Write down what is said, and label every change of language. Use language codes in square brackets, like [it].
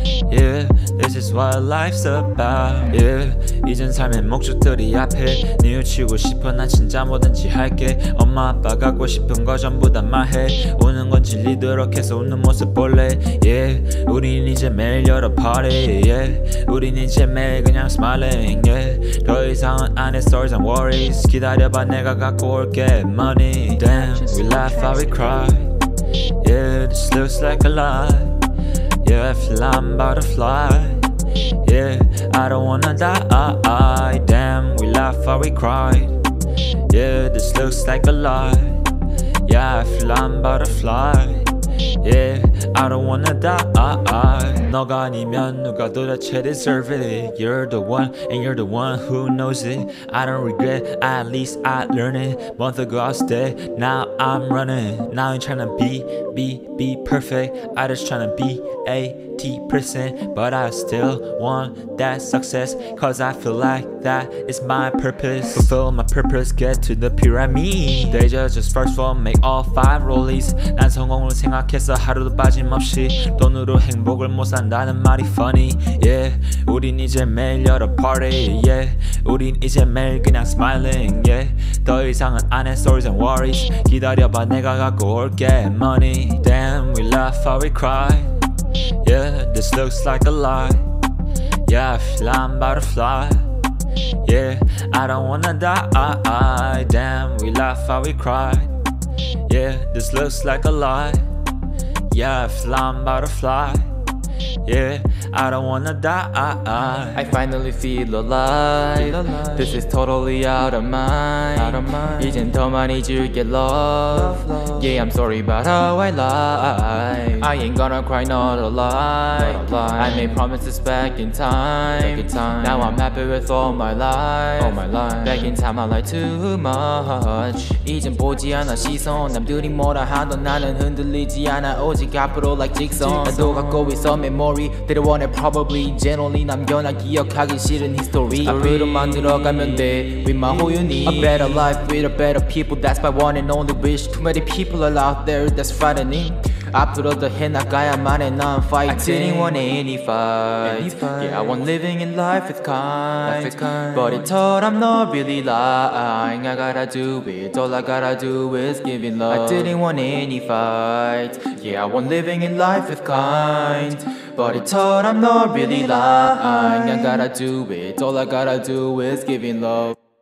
[en] Yeah, this is what life's about. [ko] Yeah, 이젠 삶의 목적들이 앞에. 뉘우치고 싶어 난 진짜 뭐든지 할게. 엄마 아빠 갖고 싶은 거 전부 다 말해. 우는 건 질리도록 해서 웃는 모습 볼래. Yeah, 우린 이제 매일 열어 party. Yeah, 우린 이제 매일 그냥 [en] smiling. [ko] Yeah, 더 이상은 안 해 [en] stories and worries. [ko] 기다려봐 내가 갖고 올게 money. [en] Damn, we laugh while we cry. Yeah, this looks like a lie. Yeah, flying by the fly. Yeah, I don't wanna die. Damn, we laugh while we cry. Yeah, this looks like a lie. Yeah, flying by the fly. Yeah, I don't wanna die. [ko] 너가 아니면 누가 도대체 [en] deserve it. You're the one and you're the one who knows it. I don't regret, at least I learned it. Month ago I was dead, now I'm running. Now I'm tryna be perfect. I just tryna be 80%. But I still want that success. Cause I feel like that is my purpose. Fulfill my purpose, get to the pyramid. They just first form, make all five rollies. [ko] 난 성공을 생각해서 하루도 빠짐없이. 돈으로 행복을 못 산 나는 말이 [en] funny. [ko] Yeah, 우린 이제 매일 열어 party. Yeah, 우린 이제 매일 그냥 smiling. Yeah, 더 이상은 안 해 stories and worries. 기다려봐 내가 갖고 올게 money. [en] Damn, we laugh while we cry. Yeah, this looks like a lie. Yeah, flying by the fly. Yeah, I don't wanna die. Damn, we laugh while we cry. Yeah, this looks like a lie. Yeah, flying by the fly. Yeah, I don't wanna die. I finally feel alive. This is totally out of mind. [ko] 이젠 더 많이 줄게 love. [en] Yeah, I'm sorry about how I lie. I ain't gonna cry, not a lie. I made promises back in time. Now I'm happy with all my life. Back in time I lied too much. [ko] 이젠 보지 않아 시선. 남들이 뭐라 하던 나는 흔들리지 않아. 오직 앞으로 [en] like jigsaw. [ko] 나도 갖고 있어 memory. [en] They don't want it probably. Generally [ko] 남겨놔 기억하기 싫은 [en] history. [ko] 앞으로 만들어가면 돼 [en] with my whole unit. A better life with a better people. That's my one and only wish. Too many people are out there that's frightening. [ko] 앞으로 더 해나가야만 해 난 fighting. [en] I didn't want any fight. Yeah, I want living in life with kind. But it taught I'm not really lying. I gotta do it. All I gotta do is give it love. I didn't want any fight. Yeah, I want living in life with kind. But it taught I'm not really lying. I gotta do it. All I gotta do is give it love.